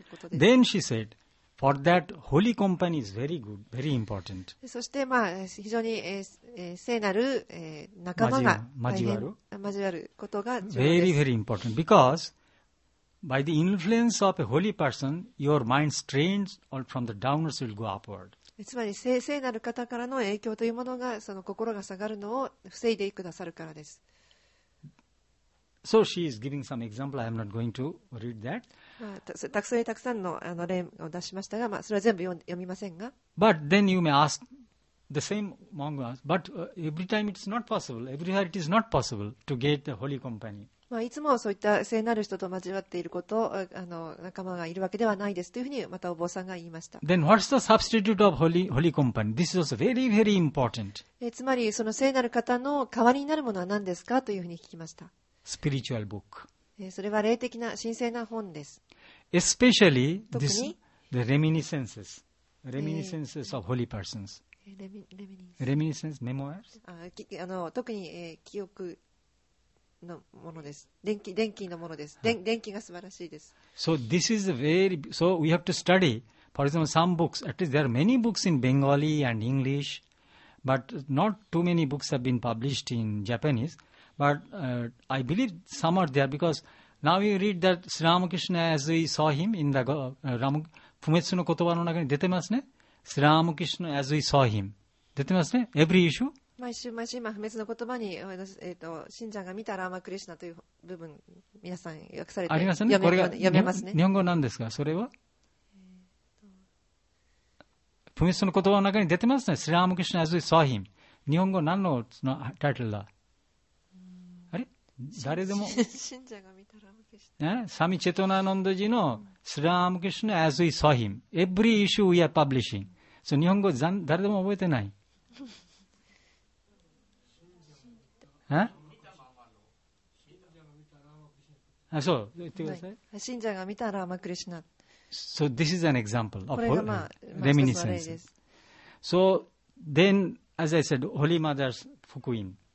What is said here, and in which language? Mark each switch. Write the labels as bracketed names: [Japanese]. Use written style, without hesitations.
[English] Then she said, for that, holy company is very good, very important. [Japanese] そして、まあ、非常に、聖なる、仲間が大変、交わる。ことが重要です。 [English] Very, very important. Because by the influence of a holy person, your mind strains or from the downwards will go upward. [Japanese] つまり 聖なる方からの影響というものがその心が下がるのを防いでくださるからです。 [English] So she is giving some example. I am not going to read that. [Japanese] たくさんの例を出しましたが、まあ、それは全部読みませんが。 [English] But then you may ask the same monk asks, but every time it is not possible, everywhere it is not possible to get the holy company. [Japanese] まあ、いつもそういった聖なる人と交わっていること、あの仲間がいるわけではないですというふうにまたお坊さんが言いました。 [English] Then what's the substitute of holy company? This is also very, very important. [Japanese] つまりその聖なる方の代わりになるものは何ですかというふうに聞きました。 [English] Spiritual book. [Japanese] それは霊的な神聖な本です。 [English] Especially this, the reminiscences. Reminiscences of holy persons. Reminiscences, memoirs. [Japanese] あの特に、記憶のものです。電気のものです。電気が素晴らしいです。 [English] So this is very, so we have to study. For example, some books, at least there are many books in Bengali and English, but not too many books have been published in Japanese. But I believe some are there because now you read that Sri Ramakrishna as we saw him in the [Japanese] Fumetsu no Kotoba no Naka ni dete masu ne? [English] Sri Ramakrishna as we saw him. [Japanese] Dete masu ne? [English] Every issue? [Japanese] 毎週毎週今不滅の言葉に、信者が見たラーマクリシナという部分皆さん訳されてありますね。これが読めますね。日本語なんですが、それは不滅の言葉の中に出てますね。スラームクリシナ [English] as we saw him。 [Japanese] 日本語何のタイトルだ。あれ誰でも信者が見たラーマクリシナ、サミチェトナノンドジのスラームクリシナ [English] as we saw him。 Every issue we are publishing。 So [Japanese] 日本語誰でも覚えてない。そう、言ってください。信者が見たラーマクリシナ。 [English] So this is an example of reminiscence. So then, as I said, Holy Mother's 福音。